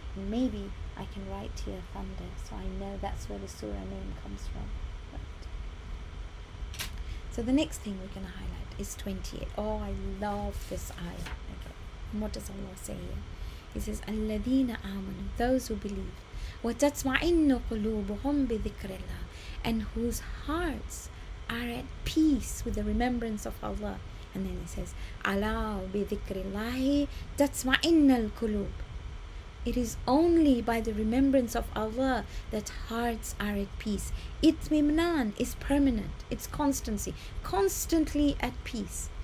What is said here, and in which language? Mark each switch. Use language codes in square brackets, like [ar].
[en] And maybe I can write here thunder, so I know that's where the surah name comes from. Right. So the next thing we're going to highlight is 28. Oh, I love this ayah. Okay. And what does Allah say here? He says, [ar] Alladhina amanu, [en] those who believe. [ar] وتطمئن قلوبهم بذكر الله. [en] And whose hearts are at peace with the remembrance of Allah. And then it says, [ar] Ala bidhikri Allahi tatma'in al-kulub. [en] It is only by the remembrance of Allah that hearts are at peace. Itmimnan is permanent, it's constancy, constantly at peace.